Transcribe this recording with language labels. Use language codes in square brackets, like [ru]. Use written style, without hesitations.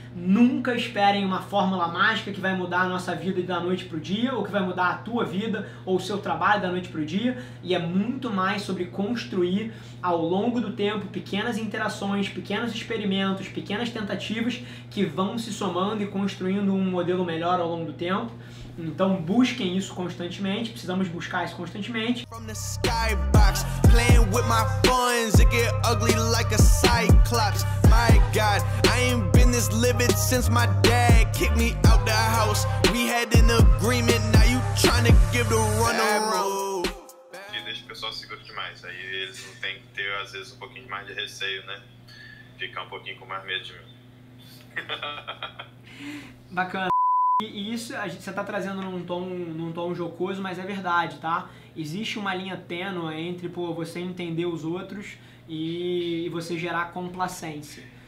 [pt] Nunca esperem uma fórmula mágica que vai mudar a nossa vida da noite para o dia, ou que vai mudar a tua vida ou o seu trabalho da noite para o dia. E é muito mais sobre construir ao longo do tempo pequenas interações, pequenos experimentos, pequenas tentativas que vão se somando e construindo um modelo melhor ao longo do tempo. Então busquem isso constantemente, precisamos buscar isso constantemente. [en] From the skybox, playing with my funds, it get ugly like a cyclops. My God, I ain't been this livid since my dad kicked me out the house. We had an agreement, now you trying to give the run around. [pt] E deixa o pessoal seguro demais, aí eles não tem que ter às vezes um pouquinho mais de receio, né? Ficar um pouquinho com mais medo de mim. Bacana. E isso a gente, você está trazendo num tom jocoso, mas é verdade, tá? Existe uma linha tênue entre, pô, você entender os outros e você gerar complacência.